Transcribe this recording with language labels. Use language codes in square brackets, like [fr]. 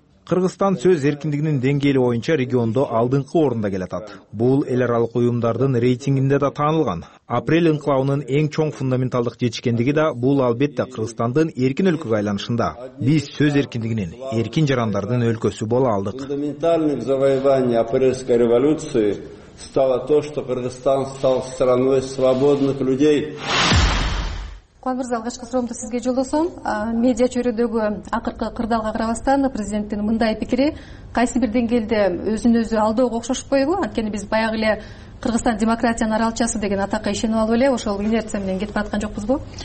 [ky] Кыргызстан сөз эркиндигинин деңгээли боюнча региондо алдыңкы орунда келатат. Бул эл аралык уюмдардын рейтингинде да таанылган. Апрель инкылабынын эң чоң фундаменталдык жетишкендиги да бул албетте Кыргызстандын эркин өлкөгө айланышында. Биз сөз эркиндигинин, эркин жарандардын өлкөсү боло алдык. [ru] Фундаменталдык завоевание апрельской революции стало то, что Кыргызстан стал страной свободных людей. [ky] Кубанбырза, алгачкы суроомду сизге жолдосом. Медиа чөйрөдөгү акыркы кырдаалга карабастан президенттин мындай пикири кайсы бир деңгээлде өзүн өзү алдоого окшошпойбу? Анткени биз баягы эле Кыргызстан демократиянын аралчасы деген атакка ишенип алып эле ошол инерция менен кетип баткан жокпузбу?